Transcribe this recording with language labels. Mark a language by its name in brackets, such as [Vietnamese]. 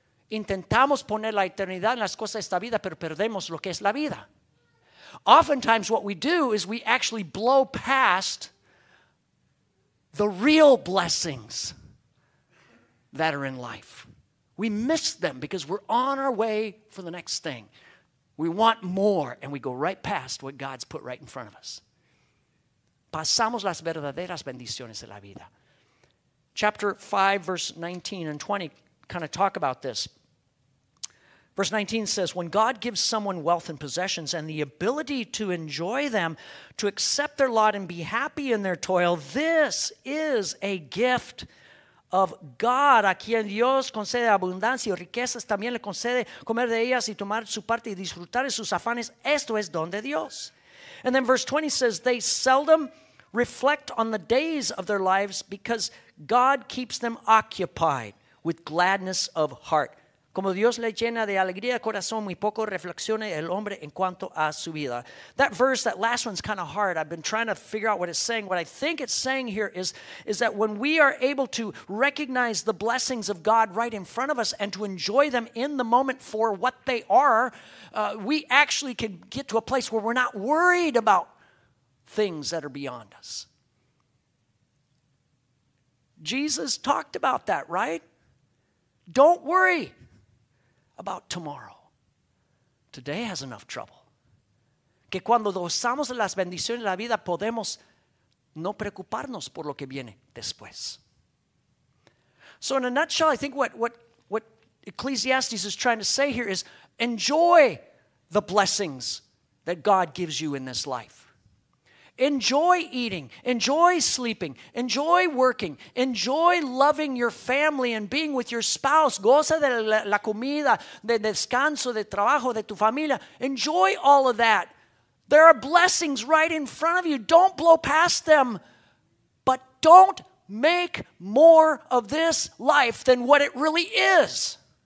[Spanish] Intentamos poner la eternidad en las cosas de esta vida, pero perdemos lo que es la vida. [English] Oftentimes what we do is we actually blow past the real blessings that are in life. We miss them because we're on our way for the next thing. We want more, and we go right past what God's put right in front of us. [Spanish] Pasamos las verdaderas bendiciones de la vida. [English] Chapter 5, verse 19 and 20 kind of talk about this. Verse 19 says, when God gives someone wealth and possessions and the ability to enjoy them, to accept their lot and be happy in their toil, this is a gift of God, [Spanish] a quien Dios concede abundancia y riquezas, también le concede comer de ellas y tomar su parte y disfrutar de sus afanes. Esto es don de Dios. [English] And then verse 20 says, they seldom reflect on the days of their lives because God keeps them occupied with gladness of heart. [Spanish] Como Dios le llena de alegría corazón, muy poco reflexiona el hombre en cuanto a su vida. [English] That verse, that last one's kind of hard. I've been trying to figure out what it's saying. What I think it's saying here is that when we are able to recognize the blessings of God right in front of us and to enjoy them in the moment for what they are, we actually can get to a place where we're not worried about things that are beyond us. Jesus talked about that, right? Don't worry about tomorrow. Today has enough trouble. [Spanish] Que cuando gozamos de las bendiciones de la vida, podemos no preocuparnos por lo que viene después. [English] So in a nutshell, I think what Ecclesiastes is trying to say here is enjoy the blessings that God gives you in this life. Enjoy eating, enjoy sleeping, enjoy working, enjoy loving your family and being with your spouse. [Spanish] Goza de la comida, de descanso, de trabajo, de tu familia. [English] Enjoy all of that. There are blessings right in front of you. Don't blow past them, but don't make more of this life than what it really is.